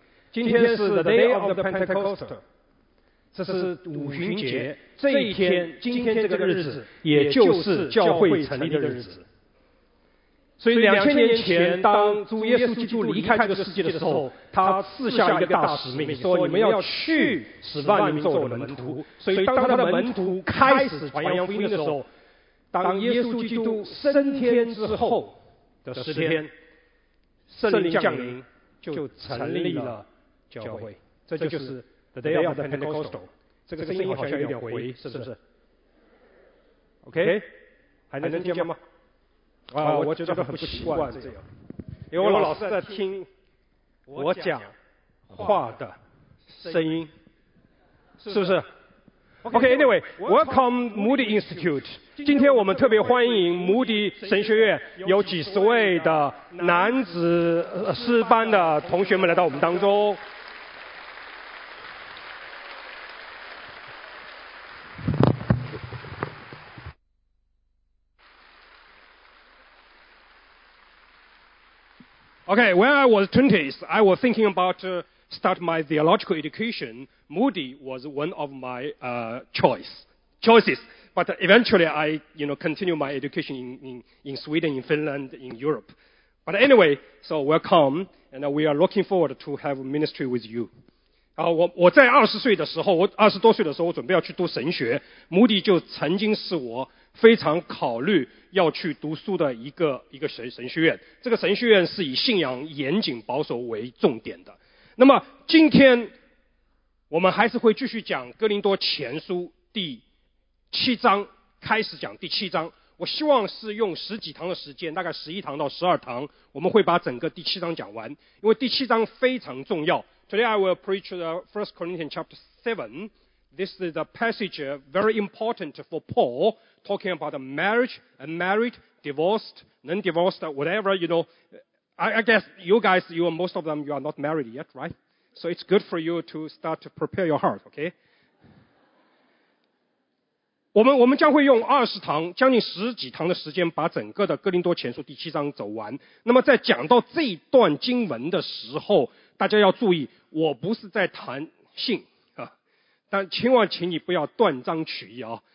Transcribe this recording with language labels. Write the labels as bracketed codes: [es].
[zh] 今天是 [en] the day of the Pentecost， [zh] 这是五旬节。这一天，今天这个日子，也就是教会成立的日子。所以2000年前，当主耶稣基督离开这个世界的时候，他赐下一个大使命，说你们要去使万民做我的门徒。所以当他的门徒开始传扬福音的时候，当耶稣基督升天之后的10天，圣灵降临，就成立了教会。这就是 [en] the day of the Pentecost。 [zh] 这个声音好像有点回，是不是？ [en] OK， [zh] 还能见吗？我觉得很不习惯这样，因为我老是在听我讲话的声音，是不是？ [en] OK, anyway, welcome Moody Institute。 [zh] 今天我们特别欢迎 Moody 神学院有几十位的男子师班的同学们来到我们当中。 [en] Okay, when I was 20s, I was thinking about start my theological education. Moody was one of my choices. But eventually I, you know, continue my education in Sweden, in Finland, in Europe. But anyway, so welcome, and we are looking forward to have ministry with you. [zh] 我在二十岁的时候，我二十多岁的时候，我准备要去读神学。 Moody 就曾经是我非常考虑要去读书的一个神学院。这个神学院是以信仰严谨保守为重点的。那么今天我们还是会继续讲哥林多前书第七章，开始讲第七章。我希望是用十几堂的时间，大概11堂到12堂，我们会把整个第七章讲完，因为第七章非常重要。 [en] Today I will preach the 1 Corinthians chapter 7. This is a passage very important for Paul, talking about marriage, unmarried, divorced, non-divorced, whatever, you know. I guess you guys, you are, most of them, you are not married yet, right? So it's good for you to start to prepare your heart, okay? [zh] 我们将会用20堂，将近十几堂的时间，把整个的哥林多前书第七章走完。那么在讲到这一段经文的时候，大家要注意，我不是在谈性啊，但千万请你不要断章取义啊。